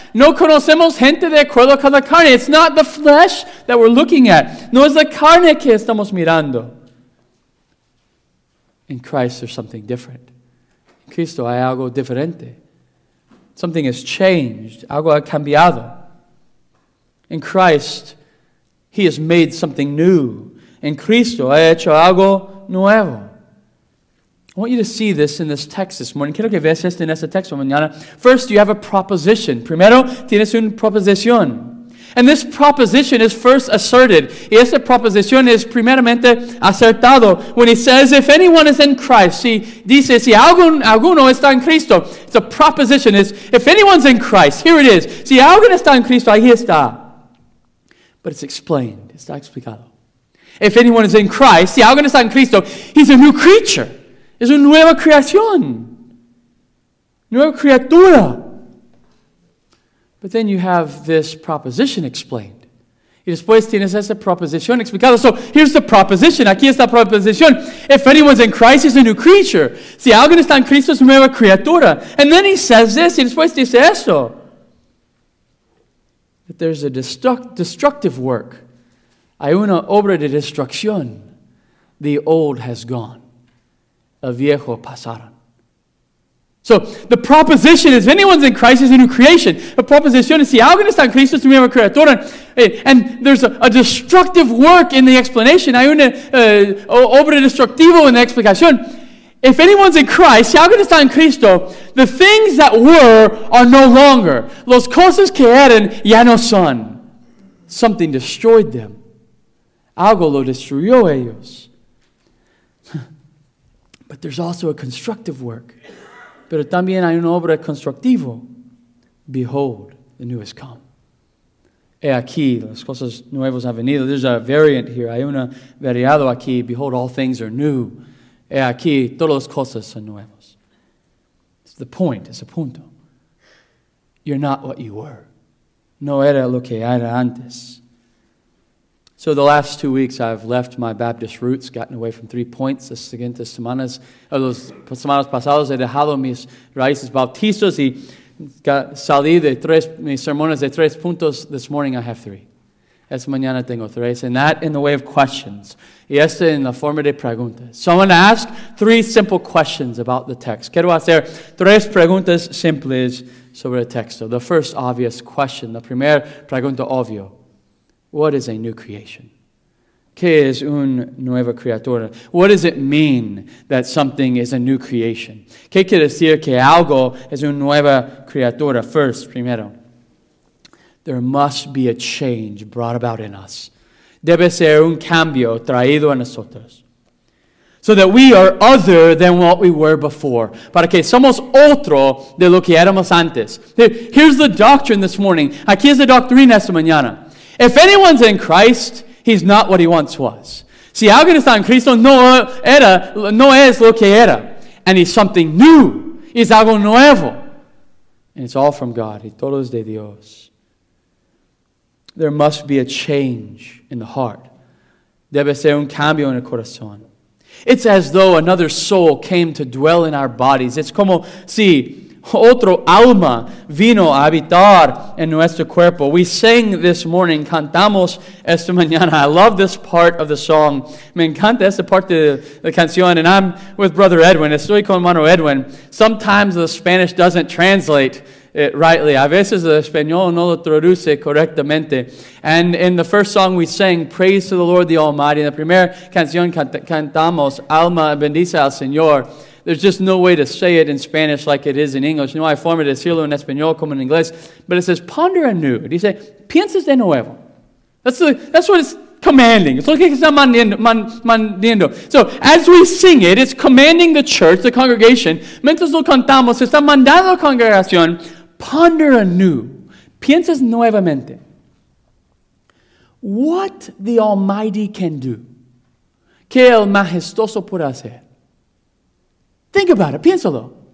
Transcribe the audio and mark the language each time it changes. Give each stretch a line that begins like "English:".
Spanish: No conocemos gente de acuerdo con la carne.
English: It's not the flesh that we're looking at.
Spanish: No es la carne que estamos mirando.
English: In Christ, there's something different.
Spanish: En Cristo hay algo diferente.
English: Something has changed.
Spanish: Algo ha cambiado.
English: In Christ, He has made something new.
Spanish: En Cristo ha hecho algo nuevo.
English: I want you to see this in this text this morning.
Spanish: Quiero que veas esto en este texto mañana.
English: First, you have a proposition.
Spanish: Primero, tienes una proposición.
English: And this proposition is first asserted.
Spanish: Y esta proposición es primeramente acertado.
English: When he says, if anyone is in Christ, he
Spanish: dice, si alguno está en Cristo.
English: It's a proposition. It's, if anyone's in Christ, here it is.
Spanish: Si alguien está en Cristo, ahí está.
English: But it's explained.
Spanish: Está explicado.
English: If anyone is in Christ,
Spanish: si alguien está en Cristo,
English: he's a new creature.
Spanish: Es una nueva creación. Nueva criatura.
English: But then you have this proposition explained.
Spanish: Y después tienes esa proposición explicada.
English: So here's the proposition.
Spanish: Aquí está la proposición.
English: If anyone's in Christ, he's a new creature.
Spanish: Si alguien está en Cristo, es una nueva criatura.
English: And then he says this.
Spanish: Y después dice esto.
English: That there's a destructive work.
Spanish: Hay una obra de destrucción.
English: The old has gone.
Spanish: A viejo pasaron.
English: So the proposition is, if anyone's in Christ, is a new creation. The proposition is,
Spanish: si alguien está en Cristo, es un nuevo creador.
English: And there's a destructive work in the explanation.
Spanish: Hay una obra destructiva en la explicación.
English: If anyone's in Christ,
Spanish: si alguien está en Cristo,
English: the things that were are no longer.
Spanish: Los cosas que eran ya no son.
English: Something destroyed them.
Spanish: Algo lo destruyó ellos.
English: But there's also a constructive work.
Spanish: Pero también hay una obra constructiva.
English: Behold, the new has come.
Spanish: He aquí, las cosas nuevas han venido.
English: There's a variant here.
Spanish: Hay una variado aquí.
English: Behold, all things are new.
Spanish: He aquí, todas las cosas son nuevas.
English: It's the point. It's a punto. You're not what you were.
Spanish: No era lo que era antes.
English: So the last 2 weeks, I've left my Baptist roots, gotten away from 3 points.
Spanish: Las siguientes semanas, o las semanas pasadas, he dejado mis raíces bautistas y salí de tres, mis sermones de 3 puntos.
English: This morning, I have 3.
Spanish: Esta mañana tengo 3.
English: And that in the way of questions.
Spanish: Y esta en la forma de preguntas.
English: So I'm going to ask 3 simple questions about the text.
Spanish: Quiero hacer 3 preguntas simples sobre el texto.
English: The first obvious question,
Spanish: la primera pregunta obvio.
English: What is a new creation?
Spanish: ¿Qué es una nueva criatura?
English: What does it mean that something is a new creation?
Spanish: ¿Qué quiere decir que algo es una nueva criatura?
English: First, primero, there must be a change brought about in us.
Spanish: Debe ser un cambio traído a nosotros.
English: So that we are other than what we were before.
Spanish: Para que somos otro de lo que éramos antes.
English: Here's the doctrine this morning.
Spanish: Aquí es la doctrina esta mañana.
English: If anyone's in Christ, he's not what he once was.
Spanish: Si alguien está en Cristo, no es lo que era.
English: And he's something new.
Spanish: Es algo nuevo.
English: And it's all from God.
Spanish: Y todo es de Dios.
English: There must be a change in the heart.
Spanish: Debe ser un cambio en el corazón.
English: It's as though another soul came to dwell in our bodies.
Spanish: It's como si otro alma vino a habitar en nuestro cuerpo.
English: We sang this morning,
Spanish: cantamos esta mañana.
English: I love this part of the song.
Spanish: Me encanta esta parte de la canción.
English: And I'm with Brother Edwin.
Spanish: Estoy con hermano Edwin.
English: Sometimes the Spanish doesn't translate it rightly.
Spanish: A veces el español no lo traduce correctamente.
English: And in the first song we sang, praise to the Lord the Almighty.
Spanish: En la primera canción cantamos, alma bendice al Señor.
English: There's just no way to say it in Spanish like it is in English.
Spanish: No hay forma de decirlo en español como en inglés.
English: But it says, ponder anew.
Spanish: Dice, pienses de nuevo.
English: That's what it's commanding. It's looking at what it's mandando. So as we sing it, it's commanding the church, the congregation.
Spanish: Mientras lo cantamos, está mandando la congregación,
English: ponder anew.
Spanish: Pienses nuevamente.
English: What the Almighty can do.
Spanish: Que el majestuoso puede hacer.
English: Think about it.
Spanish: Piénsalo.